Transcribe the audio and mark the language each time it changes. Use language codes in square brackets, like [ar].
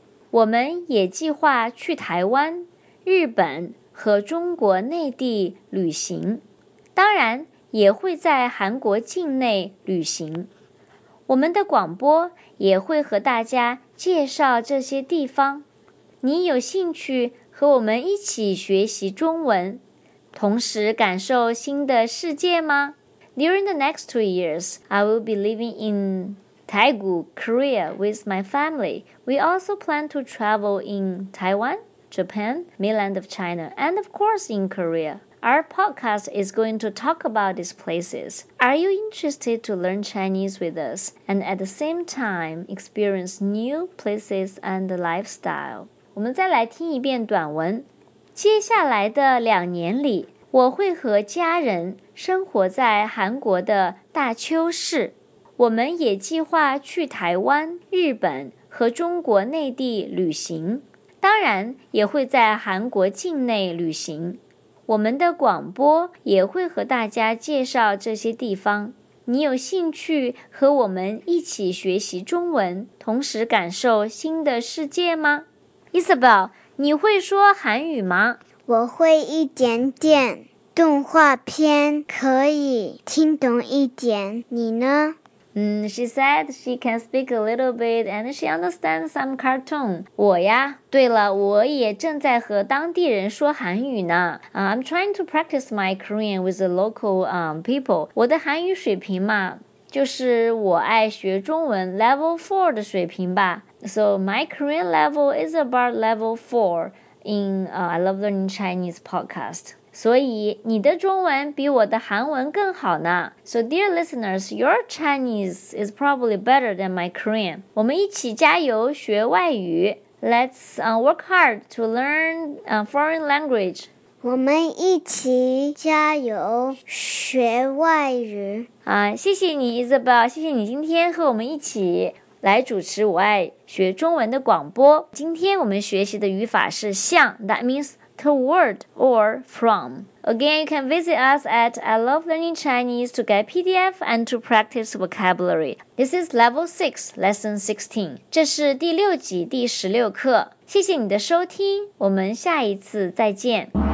[zh] 我们也计划去台湾、日本和中国内地旅行，当然也会在韩国境内旅行。我们的广播也会和大家介绍这些地方。你有兴趣和我们一起学习中文，同时感受新的世界吗？ [en] During the next 2 years, I will be living in Daegu, Korea with my family. We also plan to travel in Taiwan, Japan, mainland of China, and of course in Korea. Our podcast is going to talk about these places. Are you interested to learn Chinese with us and at the same time experience new places and lifestyle? [zh] 我们再来听一遍短文。接下来的两年里，我会和家人生活在韩国的大邱市。我们也计划去台湾、日本和中国内地旅行，当然也会在韩国境内旅行。我们的广播也会和大家介绍这些地方。你有兴趣和我们一起学习中文，同时感受新的世界吗？ Isabel, 你会说韩语吗？我会一点点，动画片可以听懂一点，你呢？ [en] She said she can speak a little bit and she understands some cartoon. [zh] 我呀，对了，我也正在和当地人说韩语呢。 [en] I'm trying to practice my Korean with the local people. [zh] 我的韩语水平嘛，就是我爱学中文 level 4的水平吧。 [en] So my Korean level is about level 4 in I Love Learning Chinese podcast. [zh] 所以你的中文比我的韩文更好呢。 [en] So dear listeners, your Chinese is probably better than my Korean. [zh] 我们一起加油学外语。 [en] Let's work hard to learn foreign language. [zh] 我们一起加油学外语。谢谢你 Isabel, 谢谢你今天和我们一起来主持我爱学中文的广播。今天我们学习的语法是向 [en] that means,toward or from. Again, you can visit us at I Love Learning Chinese to get PDF and to practice vocabulary. This is Level 6, Lesson 16. [zh] 这是第六集第十六课。谢谢你的收听，我们下一次再见。